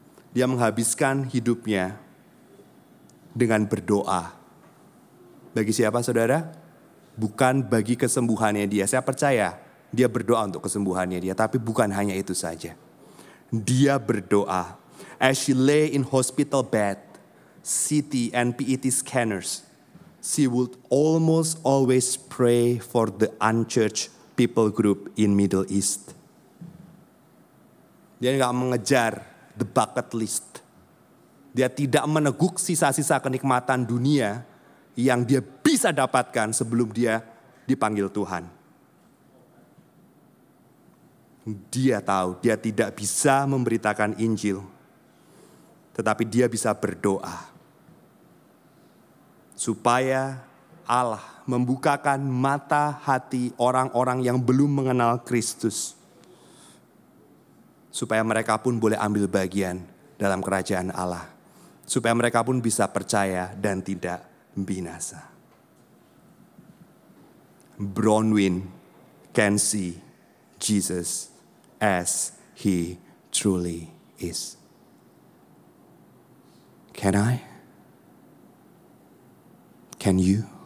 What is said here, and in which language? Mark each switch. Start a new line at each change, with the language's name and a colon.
Indonesian: Dia menghabiskan hidupnya dengan berdoa. Bagi siapa, saudara? Bukan bagi kesembuhannya dia. Saya percaya dia berdoa untuk kesembuhannya dia, tapi bukan hanya itu saja. Dia berdoa.
English: As she lay in hospital bed, CT and PET scanners, she would almost always pray for the unchurched people group in Middle East.
Indonesian: Dia gak mengejar
English: the bucket list.
Indonesian: Dia tidak meneguk sisa-sisa kenikmatan dunia yang dia bisa dapatkan sebelum dia dipanggil Tuhan. Dia tahu dia tidak bisa memberitakan Injil, tetapi dia bisa berdoa supaya Allah membukakan mata hati orang-orang yang belum mengenal Kristus, supaya mereka pun boleh ambil bagian dalam kerajaan Allah, supaya mereka pun bisa percaya dan tidak binasa.
English: Bronwyn can see Jesus as he truly is. Can I? Can you?